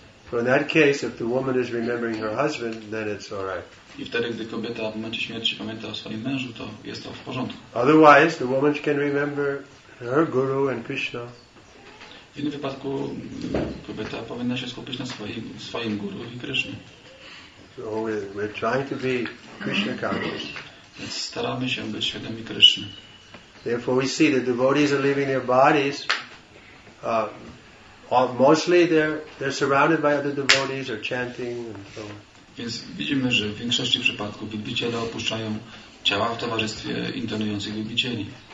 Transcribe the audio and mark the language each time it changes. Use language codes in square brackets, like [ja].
[en] So in that case, if the woman is remembering her husband, then it's all right. [pl] I wtedy, gdy kobieta w momencie śmierci pamięta o swoim mężu, to jest to w porządku. [en] Otherwise, the woman can remember her guru and Krishna. [pl] W innym wypadku kobieta powinna się skupić na swoim guru i Krishna. [en] So we're trying to be Krishna conscious. [pl] Więc staramy się być świadomi Krishna. [en] Therefore, we see that devotees are leaving their bodies. Mostly they're surrounded by other devotees or chanting and so on. [pl] Więc widzimy, że w większości przypadków wielbiciele opuszczają ciała w towarzystwie intonujących wielbicieli.